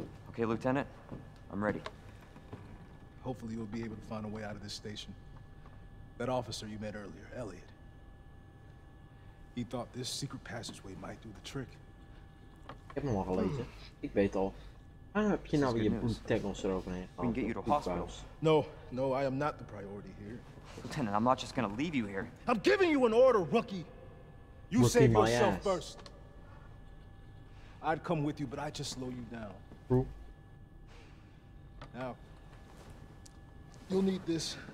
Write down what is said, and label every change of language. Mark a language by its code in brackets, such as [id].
[en] Okay, Lieutenant. I'm ready. Hopefully, you'll be able to find a way out of this station. That officer you met earlier, Elliot. He thought this secret passageway might do the trick. [nl] Ik heb hem al gelezen. Ik weet al. Waarom heb je nou weer je bloedtegels eroverheen? [en] We can get you to hospital. No, no, I am not the priority here. Lieutenant, I'm not just gonna leave you here. I'm giving you an order, rookie! You rookie save yourself ass. First. I'd come with you, but I'd just slow you down. True. Now, you'll need this.